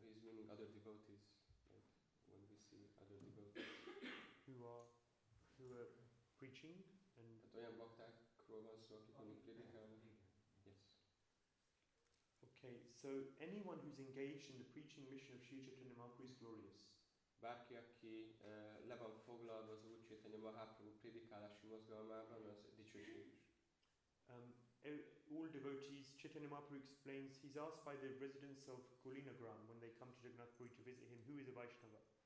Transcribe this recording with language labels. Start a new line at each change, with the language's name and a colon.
English: he's meaning other devotees, like when we see other devotees. Who are preaching and
Hungarian: olyan baktákról van szó, akik mondjuk prédikálnak.
English: Yes. Okay, so anyone who's engaged in the preaching mission of Sri Chaitanya Mahaprabhu is glorious.
Hungarian: Bárki, aki le van foglalva az Úr Chaitanya Mahaprabhu prédikálási mozgalmában, az dicsőséges.
English: All devotees, Chaitanya Mahaprabhu explains, he's asked by the residents of Kulinagram when they come to Jagannath Puri to visit him, who is a Vaishnava?